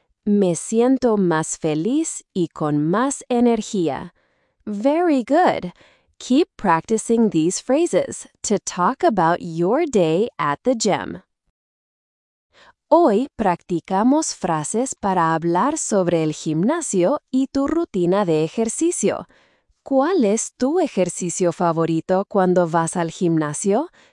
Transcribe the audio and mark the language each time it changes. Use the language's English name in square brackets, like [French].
[Spanish] Me siento más feliz y con más energía. [English] Very good. Keep practicing these phrases to talk about your day at the gym. [Spanish] Hoy practicamos frases para hablar sobre el gimnasio y tu rutina de ejercicio. ¿Cuál es tu ejercicio favorito cuando vas al gimnasio?